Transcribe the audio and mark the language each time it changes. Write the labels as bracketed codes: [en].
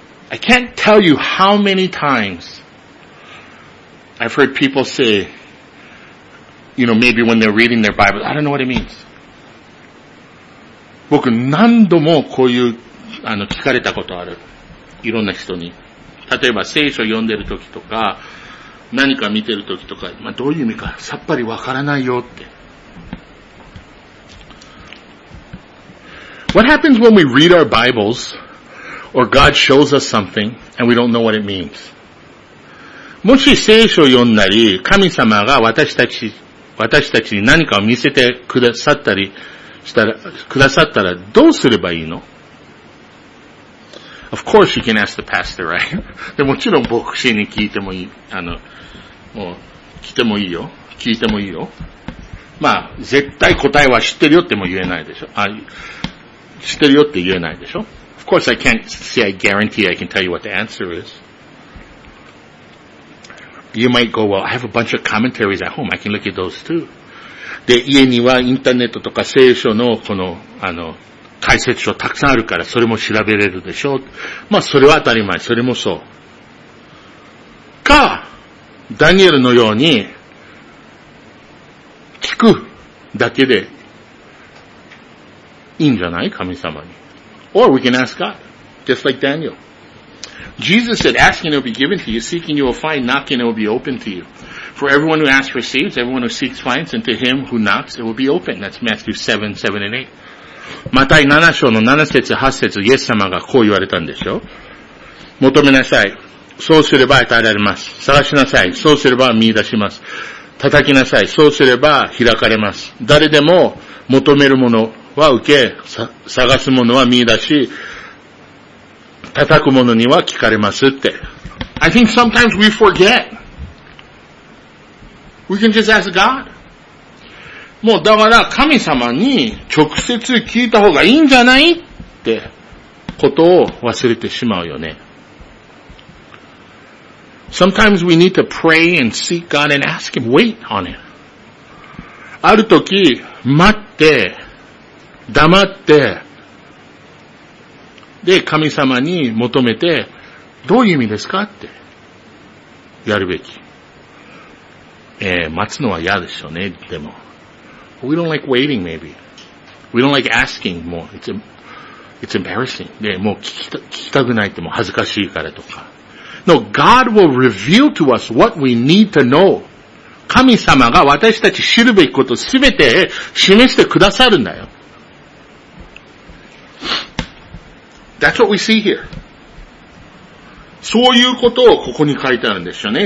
[en] I can't tell you how many times,I've heard people say, you know, maybe when they're reading their Bible, I don't know what it means. [ja] 僕何度もこういう、聞かれたことある。いろんな人に。例えば聖書読んでるときとか、何か見てるときとか、まあ、どういう意味か、さっぱりわからないよって。 [en] What happens when we read our Bibles, or God shows us something, and we don't know what it means? [ja] もし聖書を読んだり、神様が私たちに何かを見せてくださったりしたら、くださったらどうすればいいの [en] ?Of course you can ask the pastor, right? [ja] でもちろん牧師に聞いてもいい、もう、来てもいいよ。聞いてもいいよ。まあ、絶対答えは知ってるよっても言えないでしょ。知ってるよって言えないでしょ。 [en] Of course I can't say I guarantee I can tell you what the answer is. You might go, well, I have a bunch of commentaries at home. I can look at those too. [ja] で、家にはインターネットとか聖書のこの、解説書たくさんあるから、それも調べれるでしょう。まあ、それは当たり前。それもそう。か、ダニエルのように、聞くだけで、いいんじゃない? 神様に。 [en] Or we can ask God. Just like Daniel. Jesus said, asking it will be given to you, seeking you will find, knocking it will be opened to you. For everyone who asks receives, everyone who seeks finds, and to him who knocks it will be opened. That's Matthew 7, 7 and 8. [ja] マタイ7章の7節8節、イエス様がこう言われたんでしょ。求めなさい。そうすれば与えられます。探しなさい。そうすれば見出します。叩きなさい。そうすれば開かれます。誰でも求めるものは受け、探すものは見出し、叩く者には聞かれますって。 [en] I think sometimes we forget. We can just ask God. [ja] もうだから神様に直接聞いた方がいいんじゃないってことを忘れてしまうよね。 [en] Sometimes we need to pray and seek God and ask Him, wait on it. [ja] ある時、待って、黙って、で、神様に求めて、どういう意味ですかって、やるべき。待つのは嫌でしょうね、でも。 [en] We don't like waiting, maybe. We don't like asking more. It's embarrassing. [ja] で、もう聞きたくないって、もう恥ずかしいからとか。 [en] No, God will reveal to us what we need to know. [ja] 神様が私たち知るべきことすべて示してくださるんだよ。 [en] That's what we see here. [ja] そういうことをここに書いてあるんですよね。